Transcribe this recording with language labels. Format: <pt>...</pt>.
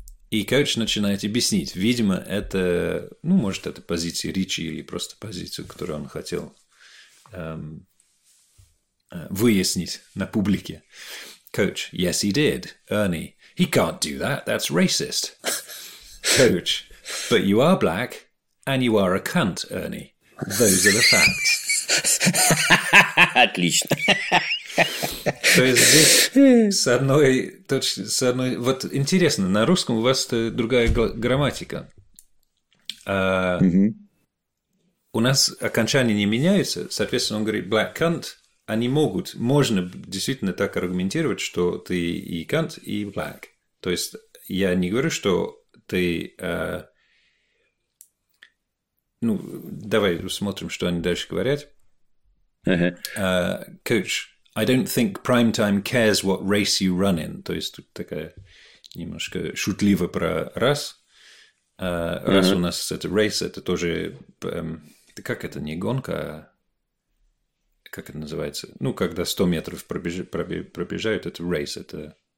<ru>И коуч начинает объяснить. Видимо, это, ну, может, это позиция Ричи или просто позицию, которую он хотел выяснить на публике.</ru> <en>Коуч, yes, he did. Ernie, he can't do that. That's racist. Коуч, but you are black and you are a cunt, Ernie. Those are the facts.</en> <ru>Отлично. То есть здесь с одной, вот интересно, на русском у вас другая грамматика. У нас окончания не меняются, соответственно, он говорит</ru> <en>black cunt,</en> <ru>они могут, можно действительно так аргументировать, что ты и cunt, и black. То есть я не говорю, что ты, ну, давай посмотрим, что они дальше говорят.</ru> <en>Коуч, I don't think primetime cares what race you run in.</en> <ru>То есть тут такая немножко шутливо про рас. Раз у нас это race, это тоже как это не гонка, а как это называется? Ну, когда 100 метров пробежают, это race, это</ru>